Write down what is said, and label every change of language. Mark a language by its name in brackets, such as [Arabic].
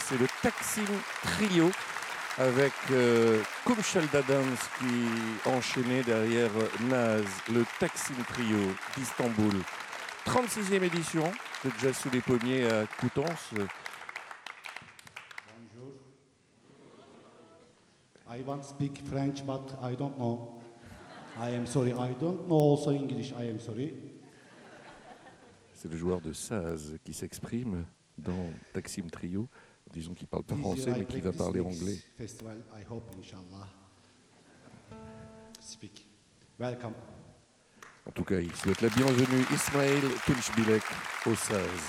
[French] C'est le Taksim Trio avec Kumshel Dadans qui enchaînait derrière Naz, le Taksim Trio d'Istanbul. 36e édition de Jazz sous les pommiers à Coutances. Bonjour. [English] I want to speak French, but I don't know. I am sorry, I don't know also English, I am sorry. [French] C'est le joueur de Saz qui s'exprime dans Taksim Trio. Disons qu'il parle pas français, mais qu'il va parler anglais. [English] Festival, I hope, inshallah. Speak. Welcome. [French] En tout cas, il souhaite la bienvenue, Ismaël Kinchbilek, au Saz.